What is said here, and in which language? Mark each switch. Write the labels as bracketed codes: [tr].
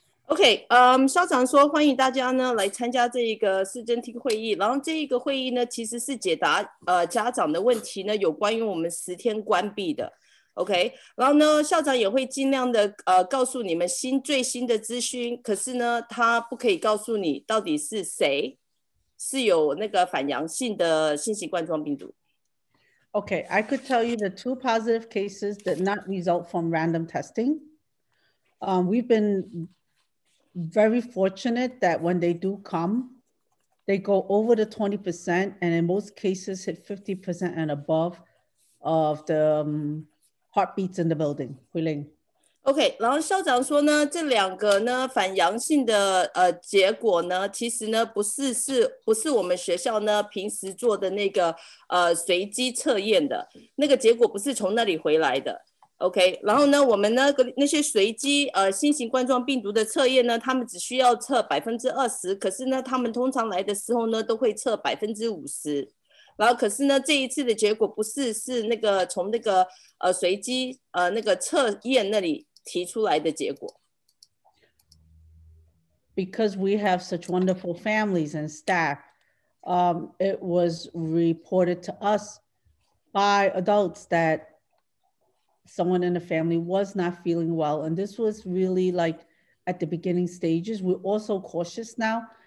[zh] Okay, 校长说欢迎大家呢来参加这一个市政厅会议，然后这一个会议呢其实是解答家长的问题呢，有关于我们十天关闭的。 OK， 然后呢校长也会尽量的告诉你们最新的资讯，可是呢他不可以告诉你到底是谁是有那个反阳性的新型冠状病毒。 [en] Okay, I could tell you the two positive cases did not result from random testing. We've been very fortunate that when they do come, they go over the 20% and in most cases hit 50% and above of the heartbeats in the building. Huiling. [zh] Okay, 然后校长说呢，这两个呢反阳性的结果呢，其实呢不是我们学校呢平时做的那个随机测验的那个结果不是从那里回来的。 Okay, 然后呢我们呢那些随机新型冠状病毒的测验呢，他们只需要测 20%， 可是呢他们通常来的时候呢都会测 50%。然后可是呢这一次的结果不是，是那个从那个随机那个测验那里提出来的结果。 [en] Because we have such wonderful families and staff, it was reported to us by adults that someone in the family was not feeling well. And this was really like at the beginning stages. We're also cautious now.